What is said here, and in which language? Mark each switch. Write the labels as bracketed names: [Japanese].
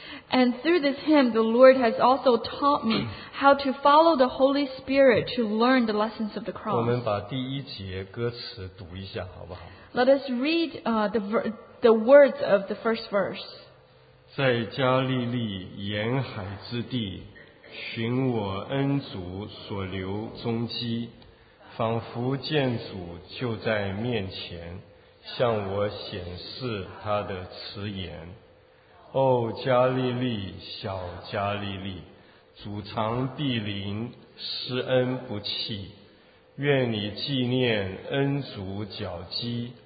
[English] And through this hymn, the Lord has also taught me how to follow the Holy Spirit to learn the lessons of the cross. [Chinese] 我们把第一节歌词读一下，好不好？ [English] Let us read the words of the first verse. [Chinese] 在加利利沿海之地，寻我恩主所留踪迹，仿佛见主就在面前，向我显示他的慈颜。哦，加利利，小加利利，主常庇临，施恩不弃，愿你纪念恩主脚迹。